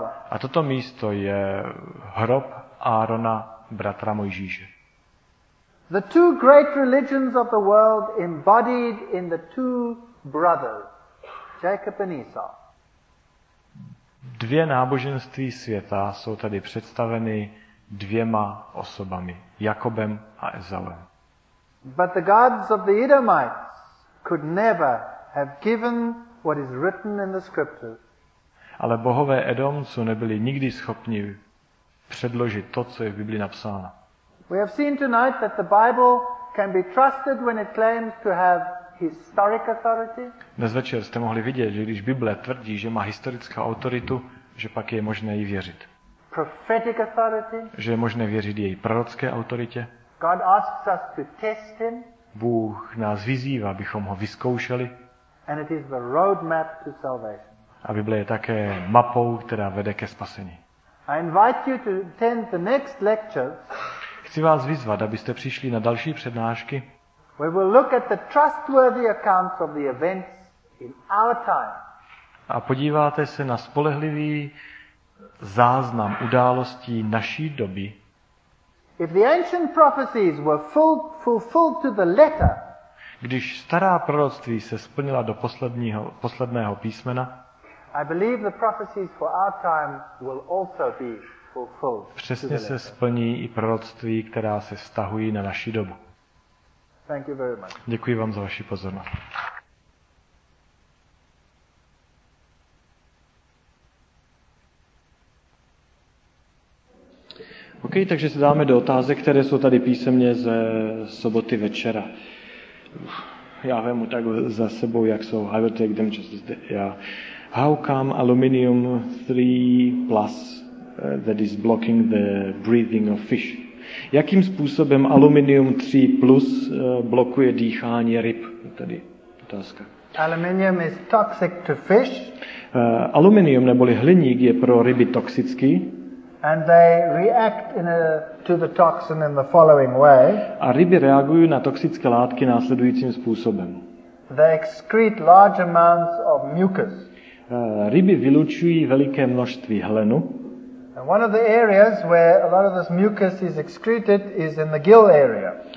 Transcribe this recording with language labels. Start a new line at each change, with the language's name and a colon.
Czech: A toto místo je hrob Aarona, bratra Mojžíše.
English: The two great religions of the world embodied in the two brothers, Jacob and Esau.
Czech: Dvě náboženství světa jsou tady představeny dvěma osobami, Jakobem a Ezauem.
English: But the gods of the Edomites could never have given what is written in the scriptures.
Czech: Ale bohové Edomců nebyli nikdy schopni předložit to, co je v Biblii napsáno.
English: We have seen tonight that the Bible can be trusted when it claims to have historic authority.
Czech: Dnes večer jste mohli vidět, že když Bible tvrdí, že má historickou autoritu, že pak je možné jí věřit.
English: Prophetic authority.
Czech: Že je možné věřit její prorocké autoritě.
English: God asks us to test him.
Czech: Bůh nás vyzývá, abychom ho vyzkoušeli.
English: And it is the roadmap to salvation.
Czech: A Bible je také mapou, která vede ke spasení.
English: I invite you to attend the next lecture.
Czech: Chci vás vyzvat, abyste přišli na další přednášky.
English: We will look at the trustworthy accounts of the events in our time.
Czech: A podíváte se na spolehlivý záznam událostí naší doby.
English: If the ancient prophecies were fulfilled to the letter.
Czech: Když stará proroctví se splnila do posledného písmena.
English: I believe the prophecies for our time will also be fulfilled.
Czech: Přesně se splní i proroctví, která se vztahují na naši dobu.
English: Thank you very much.
Czech: Děkuji vám za vaši pozornost. OK, takže se dáme do otázek, které jsou tady písemně ze soboty večera. Já vemu tak za sebou, jak jsou.
English: I will take them just as they are. How come aluminium 3 plus that is blocking the breathing of fish?
Czech: Jakým způsobem aluminium 3 plus blokuje dýchání ryb? Tady otázka.
English: Aluminium is toxic to fish.
Czech: Aluminium neboli hliník je pro ryby toxický.
English: And they react to the toxin in the following way.
Czech: A ryby reagují na toxické látky následujícím způsobem.
English: They excrete large amounts of mucus.
Czech: Ryby vylučují veliké množství hlenu.
English: And one of the areas where a lot of this mucus is excreted is in the gill area.